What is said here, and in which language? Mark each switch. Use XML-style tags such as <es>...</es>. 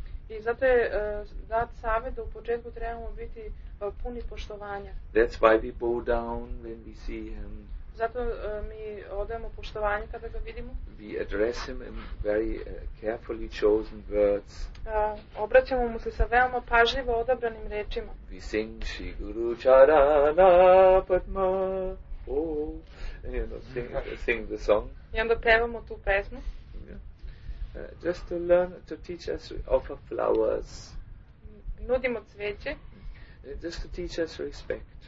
<sr>I zato je dat savjet da u početku trebamo biti puni poštovanja.</sr> <en>That's why we bow down when we see him.</en> <sr>Zato mi odajemo poštovanje kada ga vidimo.</sr> <en>We address him in very carefully chosen words.</en> <sr>Obraćamo mu se sa veoma pažljivo odabranim rečima.</sr> <en>We sing Shri Guru Charana Padma. Oh, and, you know, sing the song.</en> <sr>I onda pevamo tu pesmu.</sr> <en>Just to learn, to teach us, offer flowers.</en> <sr>Nudimo cveće.</sr> <en>Just to teach us respect.</en>